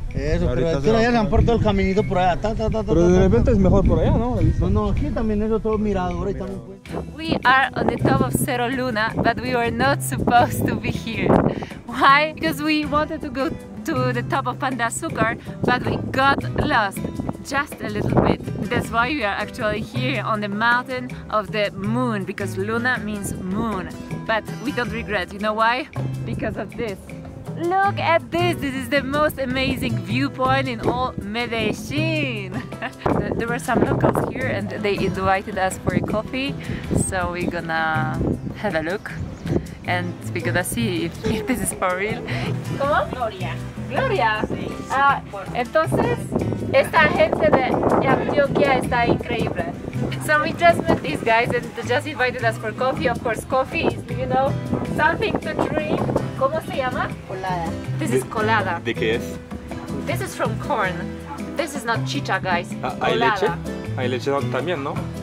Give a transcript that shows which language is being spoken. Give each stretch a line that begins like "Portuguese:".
Spanish: Eso, pero es que allá se han puesto el caminito por allá. Pero de repente es mejor por allá, ¿no? No, aquí también es otro mirador. Y también puede...
English: We are on the top of Cerro Luna, but we were not supposed to be here. Why? Because we wanted to go to the top of Pan de Azúcar, but we got lost just a little bit. That's why we are actually here on the mountain of the moon, because Luna means moon. But we don't regret, you know why? Because of this. Look at this! This is the most amazing viewpoint in all Medellin! There were some locals here and they invited us for a coffee. So we're gonna have a look and we're gonna see if this is for real.
Spanish: ¿Cómo? Gloria. Gloria? Sí. Ah, entonces, esta gente de Antioquia está increíble.
English: So we just met these guys and they just invited us for coffee. Of course, coffee is, you know, something to drink.
Spanish: ¿Cómo se llama? Colada.
English: This is colada.
Spanish: ¿De qué es?
English: This is from corn. This is not chicha, guys.
Spanish: ¿Hay leche? Hay leche también, ¿no?